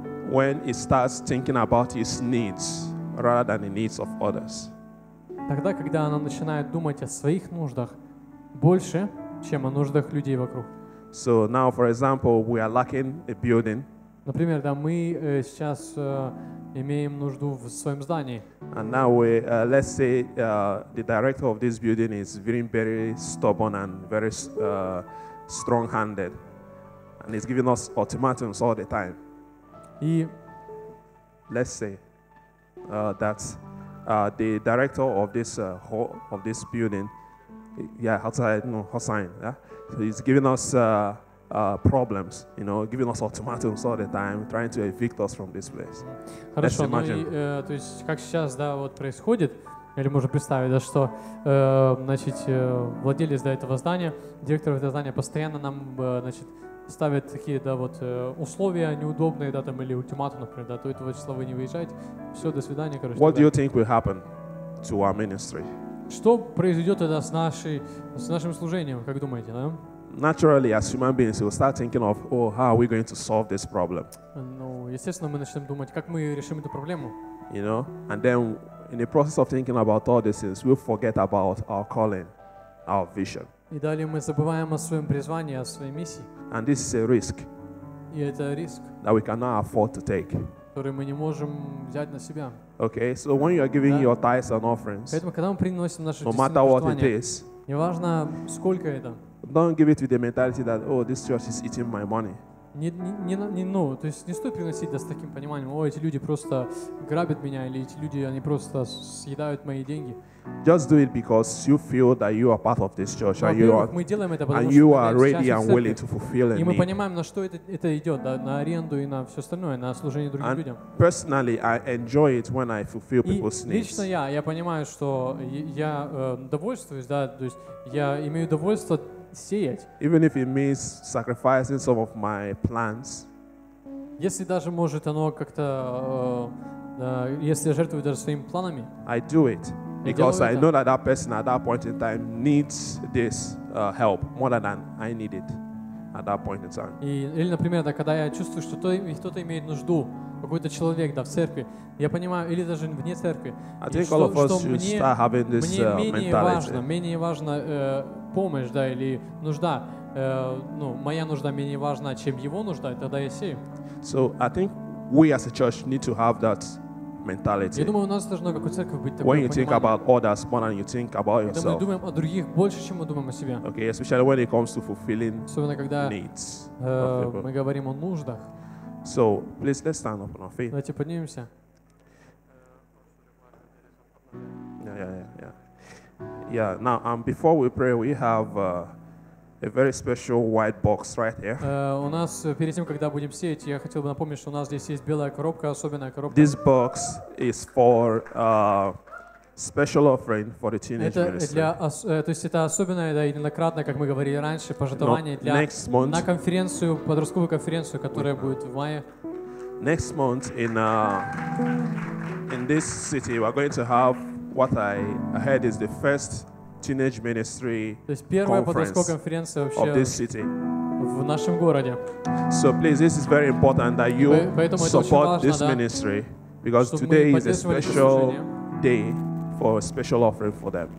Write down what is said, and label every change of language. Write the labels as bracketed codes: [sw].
[en] When it starts thinking about its needs rather than the needs of others. [ru] Тогда, когда она начинает думать о своих нуждах больше, чем о нуждах людей вокруг. [en] So now, for example, we are lacking a building. [ru] Например, да, мы сейчас имеем нужду в своем здании. [en] And now we let's say the director of this building is very, very stubborn and very strong-handed. And he's giving us ultimatums all the time. [ru] И [en] let's say that the director of this hall of this building, yeah, outside, no, Hossein, yeah, so he's giving us problems, you know, giving us ultimatums all the time, trying to evict us from this place. [ru] Хорошо, [en] let's imagine. [ru] Ну и, то есть как сейчас, да, вот происходит, или можно представить, да, что, значит, владелец, да, этого здания, директор этого здания постоянно нам, значит, ставят такие, да, вот, условия неудобные, да, там, или ультиматум, например, да, то этого числа вы не выезжаете. Все, до свидания, короче. [en] What do you think will happen to our ministry? [ru] Что произойдет тогда с нашим служением, как думаете, да? [en] Naturally, as human beings, we'll start thinking of, oh, how are we going to solve this problem? [ru] Ну, естественно, мы начнем думать, как мы решим эту проблему. [en] You know, and then, in the process of thinking about all these things, we'll forget about our calling, our vision. [ru] И далее мы забываем о своем призвании, о своей миссии. [en] And this is a risk. [ru] И это риск. [en] That we cannot afford to take. [ru] Который мы не можем взять на себя. [en] Okay, so when you are giving your tithes and offerings, [ru] поэтому когда мы приносим наши [en] no matter what it is, [ru] неважно сколько это, [en] don't give it with the mentality that, oh, this church is eating my money. [ru] Не, то есть не стоит приносить, да, с таким пониманием, о, эти люди просто грабят меня, или эти люди, они просто съедают мои деньги. [en] Just do it because you feel that you are part of this church, and [ru] мы делаем это, потому [en] and [ru] что [en] you are ready and willing to fulfill [ru] it. И мы понимаем, на что это идет, да, на аренду и на все остальное, на служение другим [en] and [ru] людям. [en] Personally, I enjoy it when I fulfill people's needs. [ru] Лично я понимаю, что я довольствуюсь, да, то есть я имею удовольствие сеять. [en] Even if it means sacrificing some of my plants. [ru] Если даже может оно как-то, если я жертвую даже своими планами. [en] I do it. Because I know that person at that point in time needs this help more than I need it at that point in time. [ru] Или, например, да, когда я чувствую, что кто-то имеет нужду, какой-то человек, да, в церкви, я понимаю, или даже вне церкви, что мне менее важна помощь, да, или нужда, ну, моя нужда менее важна, чем его нужда, тогда я сею. [en] So I think we as a church need to have that mentality. [ru] Я думаю, у нас должно как у церкви быть такое. [en] When you think about others more than you think about yourself. [ru] Когда мы думаем о других больше, чем мы думаем о себе. [en] Okay, especially when it comes to fulfilling needs. [ru] Особенно когда мы говорим о нуждах. [en] So, please let's stand up on our feet. [ru] Давайте поднимемся. [en] Yeah. Now, before we pray, we have a very special white box right here. [ru] У нас перед тем, когда будем сеять, я хотел бы напомнить, что у нас здесь есть белая коробка, особенная коробка. [en] This box is for special offering for the teenage ministry. [ru] Это для, то есть это особенное, да, и неоднократное, как мы говорили раньше, пожертвование для на конференцию, подростковую конференцию, которая будет в мае. [en] Next month in this city we are going to have what I heard is the first teenage ministry conference of this city. [ru] В нашем городе. [en] So please, this is very important that you support this ministry because today is a special day for a special offering for them.